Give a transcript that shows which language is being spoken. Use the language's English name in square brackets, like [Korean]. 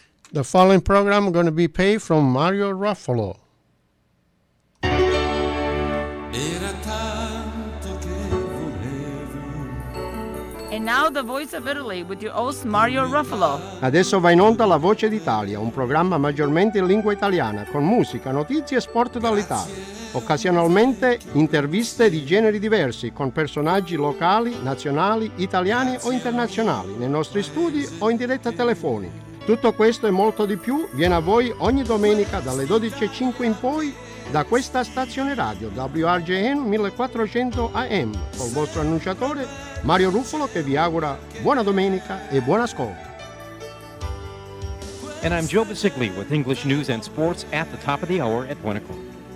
[English] The following program is going to be paid from Mario Ruffalo. And now the Voice of Italy with your host Mario Ruffalo. [Italian] Adesso va in onda la Voce d'Italia, un programma maggiormente in lingua italiana con musica, notizie e sport dall'Italia. Occasionalmente interviste di generi diversi con personaggi locali, nazionali, italiani o internazionali, nei nostri studi o in diretta telefonica. Tutto questo e molto di più viene a voi ogni domenica dalle 12:05 in poi. Da questa stazione radio WRJN 1400 AM col vostro annunciatore Mario Ruffalo che vi augura buona domenica e buon ascolto. [English] And I'm Joe Basigli with English News and Sports at the top of the hour at 1 o'clock.